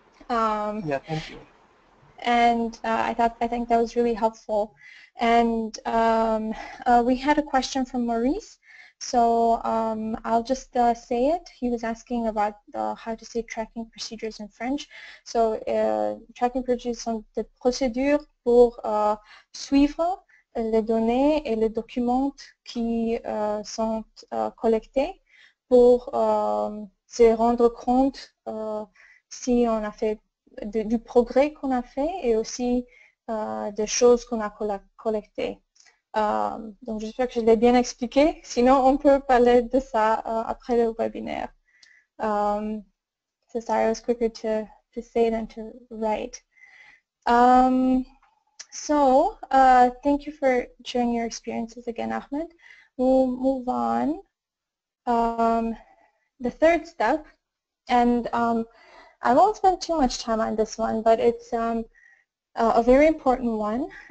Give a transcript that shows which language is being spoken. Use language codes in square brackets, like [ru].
[en] Yeah, thank you. And I think that was really helpful. And we had a question from Maurice, so I'll just say it. He was asking about how to say tracking procedures in French. [fr] So tracking procedures sont des procédures pour suivre les données et les documents qui sont collectés pour se rendre compte si on a fait du progrès qu'on a fait et aussi des choses qu'on a collectées. Donc j'espère que je l'ai bien expliqué, sinon on peut parler de ça après le webinaire. [en] So sorry, it was quicker to say than to write. So thank you for sharing your experiences again, Ahmed. We'll move on. The third step, and I won't spend too much time on this one, but it's a very important one.